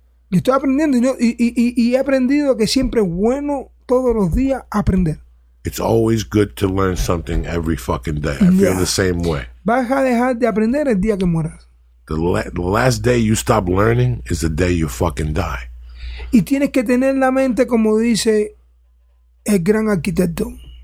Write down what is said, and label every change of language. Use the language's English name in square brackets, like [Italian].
[Spanish] Yo estoy aprendiendo y he aprendido que siempre es bueno todos los días aprender. [English] It's always good to learn something every fucking day. I feel the same way. [Spanish] Vas a dejar de aprender el día que mueras. [English] The last day you stop learning is the day you fucking die. [Spanish] Y tienes que tener la mente como dice el gran arquitecto.